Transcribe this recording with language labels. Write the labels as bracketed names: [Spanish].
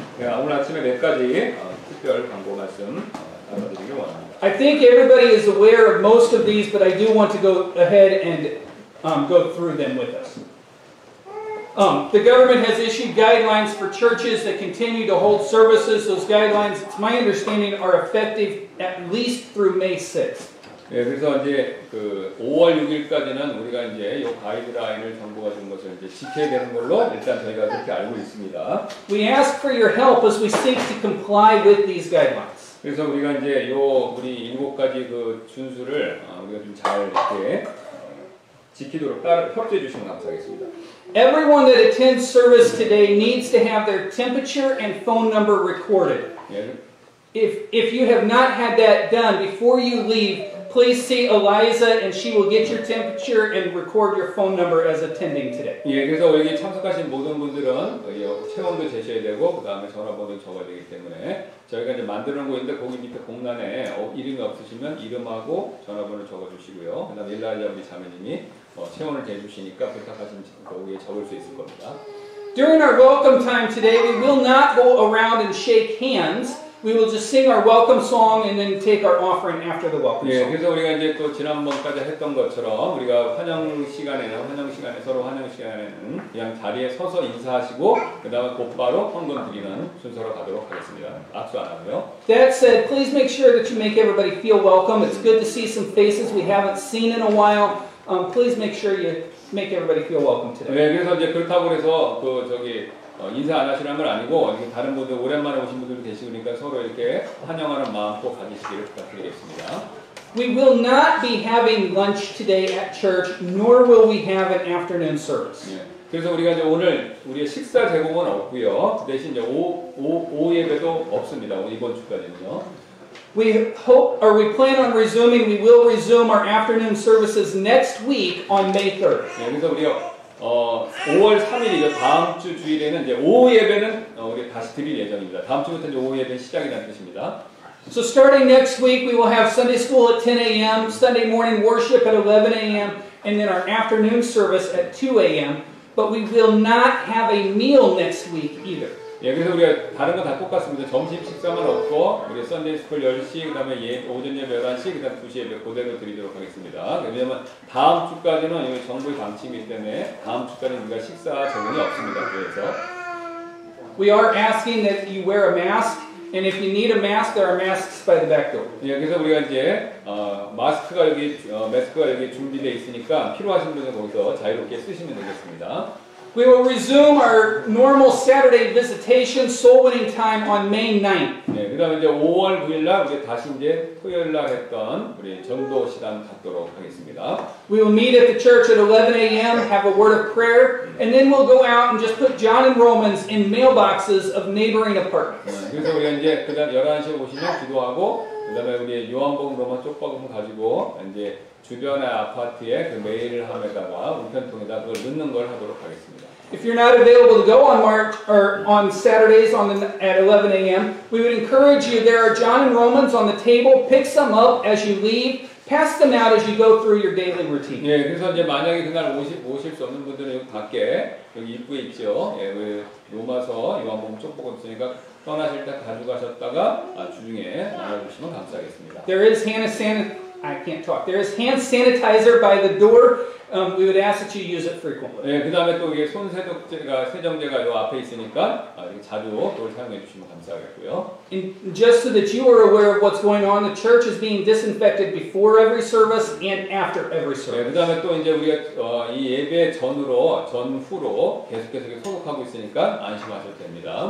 [English] I think everybody is aware of most of these, but I do want to go ahead and go through them with us. The government has issued guidelines for churches that continue to hold services. Those guidelines, it's my understanding, are effective at least through May 6th. [Korean] 예, 그래서 이제 그 5월 6일까지는 우리가 이제 이 가이드라인을 정부가 준 것을 이제 지켜야 되는 걸로 일단 저희가 그렇게 알고 있습니다. [English] We ask for your help as we seek to comply with these guidelines. [Korean] 그래서 우리가 이제 요 우리 일곱 가지 그 준수를 우리가 좀 잘 이렇게 지키도록 협조해 주시면 감사하겠습니다. [English] Everyone that attends service today needs to have their temperature and phone number recorded. [Korean] 예. [English] If you have not had that done before you leave, please see Eliza and she will get your temperature and record your phone number as attending today. [Korean] 예, 그래서 여기 참석하신 모든 분들은 체온도 재셔야 되고 그다음에 전화번호를 적어야 되기 때문에 저희가 이제 만들어 놓은 건데 거기 밑에 공란에 이름이 없으시면 이름하고 전화번호를 적어 주시고요. 그다음에 일라일라 우리 자매님이 체온을 재 주시니까 부탁하시면 거기에 적을 수 있을 겁니다. [English] During our welcome time today, we will not go around and shake hands. We will just sing our welcome song and then take our offering after the welcome song. [Korean] 예, 그래서 우리가 이제 또 지난번까지 했던 것처럼 우리가 환영 시간에 서로 환영 시간에는 그냥 자리에 서서 인사하시고 그다음에 곧바로 헌금 드리는 순서로 가도록 하겠습니다. 악수 안 하고요. [English] That said, please make sure that you make everybody feel welcome. It's good to see some faces we haven't seen in a while. Please make sure you make everybody feel welcome today. [Korean] 예, 그래서 이제 그렇다고 해서 그 저기 인사 안 하시라는 건 아니고 다른 분들 오랜만에 오신 분들도 계시니까 서로 이렇게 환영하는 마음 꼭 가지시기를 부탁드리겠습니다. [English] We will not be having lunch today at church, nor will we have an afternoon service. [Korean] 예. 그래서 우리가 이제 오늘 우리의 식사 제공은 없고요. 대신 이제 오후 예배도 없습니다. 이번 주까지는요. [English] We hope or we plan on resuming. We will resume our afternoon services next week on May 3rd. [Korean] 예, 그래서 우리요. 5월 3일이죠. 다음 주 주일에는 이제 오후 예배는 우리 다시 드릴 예정입니다. 다음 주부터 이제 오후 예배는 시작이라는 뜻입니다. [English] So starting next week, we will have Sunday school at 10 a.m., Sunday morning worship at 11 a.m., and then our afternoon service at 2 a.m., but we will not have a meal next week either. [Korean] 예, 그래서 우리가 다른 건 다 똑같습니다. 점심 식사만 없고, 우리 Sunday school 10시, 그 다음에 오전 예배 11시, 그 다음 2시 예배 그대로 드리도록 하겠습니다. 왜냐면 다음 주까지는 이미 정부의 방침이기 때문에 다음 주까지는 우리가 식사 제공이 없습니다. 그래서. [English] We are asking that you wear a mask, and if you need a mask, there are masks by the back door. [Korean] 예, 그래서 우리가 이제, 마스크가 여기 준비되어 있으니까 필요하신 분은 거기서 자유롭게 쓰시면 되겠습니다. [English] We will resume our normal Saturday visitation soul winning time on May 9th. [Korean] 네, 그다음에 이제 5월 9일 날 이제 다시 이제 토요일 날 했던 우리 전도 시간 갖도록 하겠습니다. [English] We will meet at the church at 11 a.m. have a word of prayer and then we'll go out and just put John and Romans in mailboxes of neighboring apartments. [Korean] 네, 그래서 우리가 이제 그다음 11시에 오시면 기도하고 그다음에 우리 요한복음 로마 쪽박음을 가지고 이제 주변의 아파트에 그 메일을 함에다가 우편통에다 그걸 넣는 걸 하도록 하겠습니다. [English] If you're not available to go on March or on Saturdays at 11 a.m., we would encourage you. There are John and Romans on the table. Pick some up as you leave. Pass them out as you go through your daily routine. [Korean] 예, 그래서 이제 만약에 그날 오실 수 없는 분들은 밖에 여기 입구에 있죠. 예, 그 로마서 요한복음 쪽보고 있으니까. 떠나실 때 가져가셨다가 주중에 나눠주시면 감사하겠습니다. [English] There is hand sanitizer by the door. We would ask that you use it frequently. [Korean] 예, 그다음에 또 이게 손 세정제가 요 앞에 있으니까 이렇게 자주 그걸 사용해 주시면 감사하겠고요. [English] And just so that you are aware of what's going on, the church is being disinfected before every service and after every service. [Korean] 예, 그다음에 또 이제 우리가 이 예배 전후로 계속해서 소독하고 있으니까 안심하셔도 됩니다.